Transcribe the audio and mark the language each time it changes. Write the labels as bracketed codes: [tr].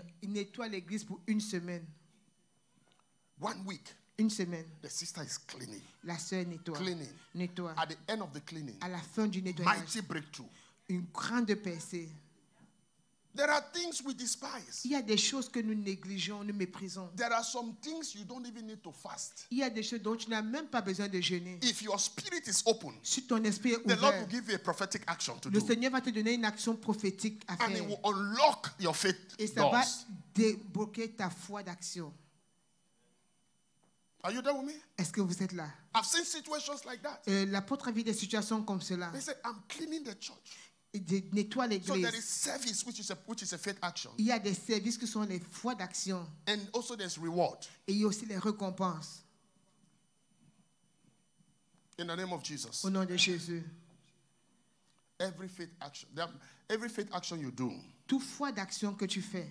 [fr] Il nettoie l'église pour une semaine. [en] 1 week. [fr] Une semaine. [en] The sister is cleaning. [fr] La sœur nettoie. [en] Cleaning. [fr] Nettoie. [en] At the end of the cleaning. [fr] À la fin du nettoyage. [en] Mighty breakthrough. [fr] Une grande percée. [en] There are things we despise. [fr] Il y a des choses que nous négligeons, nous méprisons. [en] There are some things you don't even need to fast. [fr] Il y a des choses dont tu n'as même pas besoin de jeûner. [en] If your spirit is open, [fr] si ton esprit est ouvert, [en] the Lord will give you a prophetic action to [fr] le [en] do. [fr] Seigneur va te donner une action prophétique à faire. [en] And it will unlock your faith doors. [fr] Et ça va débloquer ta foi d'action. [en] Are you there with me? [fr] Est-ce que vous êtes là? [en] I've seen situations like that. [fr] L'apôtre a vu des situations comme cela. [en] He said, I'm cleaning the church. [fr] Nettoie l'église. [en] So there is service which is a faith action. [fr] Il y a des services qui sont les foi d'action. [en] And also there's reward. [fr] Et il y a aussi les récompenses. [en] In the name of Jesus. [fr] Au nom de Jésus. [en] Every faith action, you do. [fr] Toute foi d'action que tu fais.